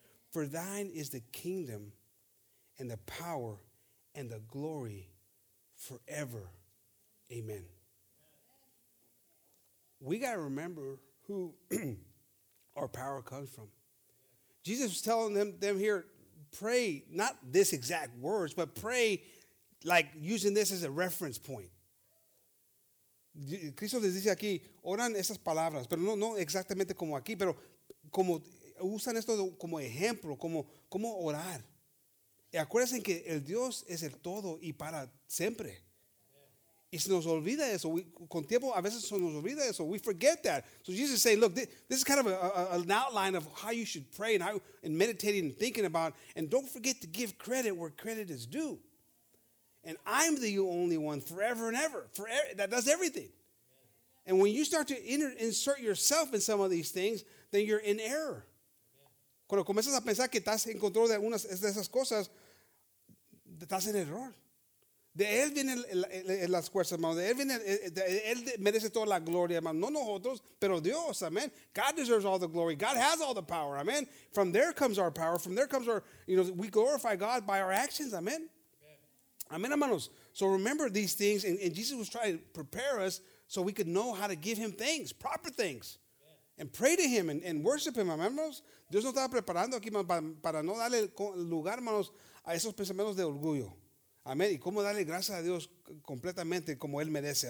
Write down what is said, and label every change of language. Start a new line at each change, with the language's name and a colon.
English: For thine is the kingdom and the power and the glory forever. Amen. We got to remember who our power comes from. Jesus was telling them here, pray, not this exact words, but pray like using this as a reference point.
Spanish: Cristo les dice aquí, oran esas palabras, pero no exactamente como aquí, pero como usan esto como ejemplo, como orar. Y acuérdense que el Dios es el todo y para siempre. Y se nos olvida eso. Con tiempo a veces se nos olvida eso.
English: We forget that. So Jesus is saying, look, this is kind of an outline of how you should pray and how and meditating and thinking about. And don't forget to give credit where credit is due. And I'm the only one forever and ever. Forever, that does everything. And when you start to insert yourself in some of these things, then you're in error.
Spanish: Cuando comienzas a pensar que estás en control de algunas de esas cosas, estás en error. De Él vienen las fuerzas, hermano. De Él viene, Él merece toda la gloria, hermano. No nosotros, pero Dios, amen.
English: God deserves all the glory. God has all the power, amen. From there comes our power. From there comes our, you know, we glorify God by our actions, amen.
Spanish: Amen, hermanos.
English: So remember these things, and Jesus was trying to prepare us so we could know how to give Him things, proper things. And pray to Him and worship Him, hermanos.
Spanish: Dios nos estaba preparando aquí para no darle lugar, hermanos, a esos pensamientos de orgullo. Amén. Y cómo darle gracias a Dios completamente como Él merece.